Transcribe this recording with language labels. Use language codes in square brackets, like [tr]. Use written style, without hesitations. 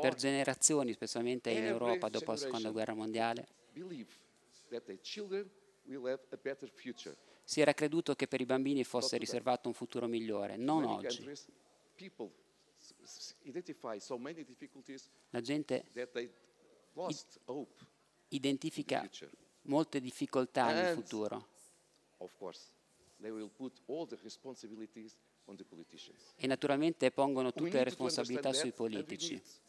[it] per generazioni, specialmente in Europa dopo la Seconda Guerra Mondiale, [en] that their children will have a better future. [it] Si era creduto che per i bambini fosse riservato un futuro migliore, non oggi. [en] People identify so many difficulties. [it] La gente identifica molte difficoltà nel futuro. [en] Of course, they will put all the responsibilities. [it] E naturalmente pongono tutte le responsabilità sui politici.